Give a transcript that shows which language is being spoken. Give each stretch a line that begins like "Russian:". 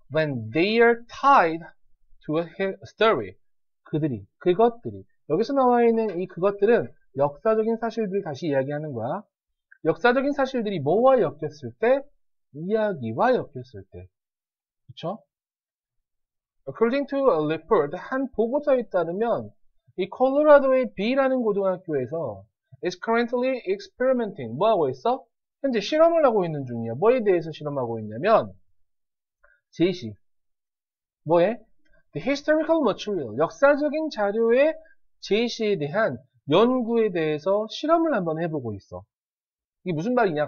English: When they are tied to a story.
Korean: 그들이, 그것들이. 여기서 나와 있는 이 그것들은 역사적인 사실들을 다시 이야기하는 거야. 역사적인 사실들이 뭐와 엮였을 때? 이야기와 엮였을 때. 그쵸?
English: According to a report,
Korean: 한 보고서에 따르면 이 콜로라도의 B라는 고등학교에서
English: is currently experimenting.
Korean: 뭐 하고 있어? 현재 실험을 하고 있는 중이야. 뭐에 대해서 실험하고 있냐면 제시. 뭐에?
English: The historical material.
Korean: 역사적인 자료의 제시에 대한 연구에 대해서 실험을 한번 해보고 있어. 이게 무슨 말이냐?